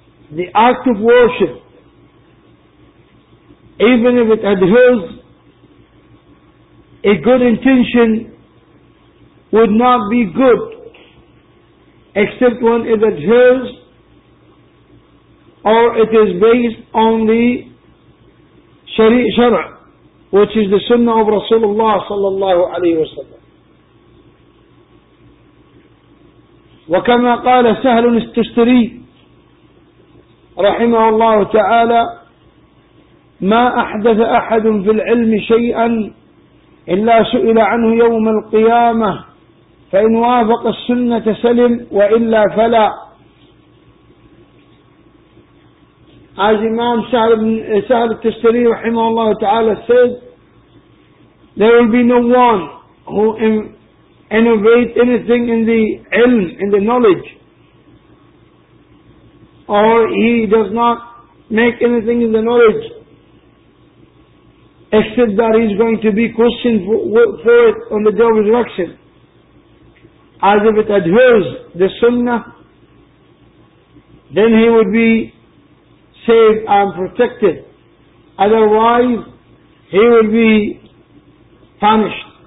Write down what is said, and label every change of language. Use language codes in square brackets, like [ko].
[en] the act of worship, even if it adheres a good intention, would not be good except when it adheres or it is based on the Shari' Shara', which is the Sunnah of Rasulullah sallallahu alayhi wa sallam. [ar] وكما قال سهل التشتري رحمه الله تعالى: ما أحدث أحد في العلم شيئا إلا سئل عنه يوم القيامة، فإن وافق السنة سلم وإلا فلا. عز إمام سهل التشتري رحمه الله تعالى [en] said there will be no one who innovate anything in the ilm, in the knowledge, or he does not make anything in the knowledge except that he is going to be questioned for it on the day of resurrection, as if it adheres the sunnah, then he would be saved and protected, otherwise he will be punished.